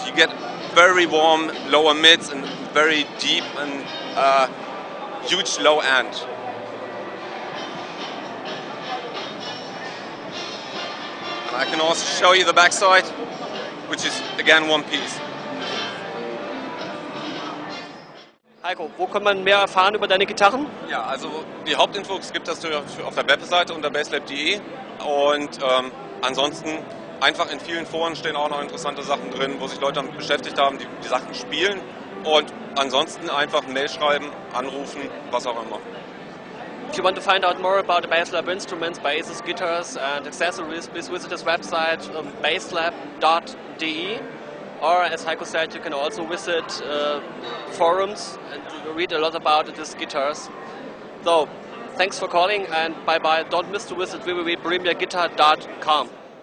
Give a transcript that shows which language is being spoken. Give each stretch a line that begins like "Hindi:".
English: You get very warm lower mids and very deep and huge low end. And I can also show you the backside, which is again one piece.
German: Heiko, wo kann man mehr erfahren über deine Gitarren? Ja, also die Hauptinfos gibt es auf der Webseite unter basslab.de und ansonsten einfach in vielen Foren stehen auch noch interessante Sachen drin, wo sich Leute damit beschäftigt haben, die die Sachen spielen, und ansonsten einfach Mail schreiben, anrufen, was auch immer.
English: If you want to find out more about the BassLab instruments, basses, guitars and accessories, please visit this website basslab.de. Or, as Heiko said, you can also visit forums and read a lot about these guitars. So, thanks for calling and bye-bye. Don't miss to visit www.bremiaguitar.com.